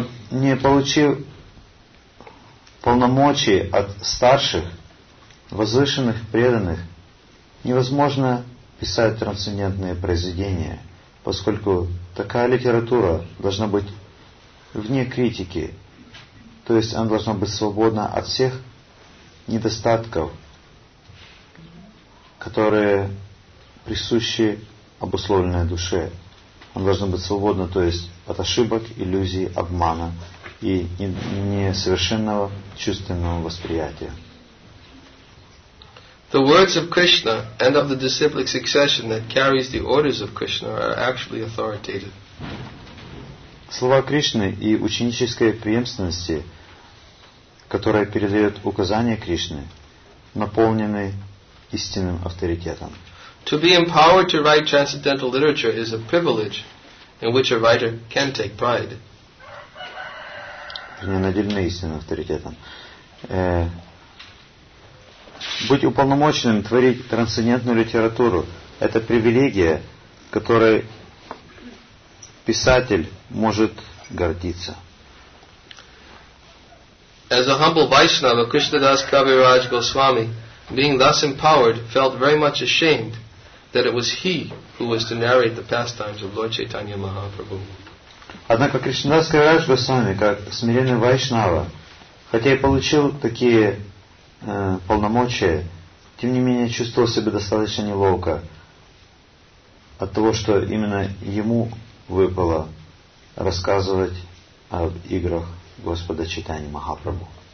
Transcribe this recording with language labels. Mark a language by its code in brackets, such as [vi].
[ru] Не получив полномочий от старших, возвышенных преданных, невозможно писать трансцендентные произведения, поскольку такая литература должна быть вне критики, то есть она должна быть свободна от всех недостатков, которые присущи обусловленной душе. Он должен быть свободен, то есть от ошибок, иллюзий, обмана и несовершенного чувственного восприятия. [en] The words of Krishna and of the disciplic succession that carries the orders of Krishna are actually authoritative. [ru] Слова Кришны и ученической преемственности, которая передает указания Кришны, наполнены истинным авторитетом. [en] To be empowered to write transcendental literature is a privilege in which a writer can take pride. [ru] Не наделены истинным авторитетом. Быть уполномоченным творить трансцендентную литературу – это привилегия, которой писатель может гордиться. [en] As a humble Vaishnava, Krishnadas Kaviraj Goswami, being thus empowered, felt very much ashamed that it was he who was to narrate the pastimes of Lord Chaitanya Mahaprabhu. [ru] Однако Кришнадас Кавираджа Госвами, как смиренный вайшнава, хотя и получил такие полномочия, тем не менее чувствовал себя достаточно неловко от того, что именно ему выпало рассказывать об играх Господа Чайтанья Махапрабху.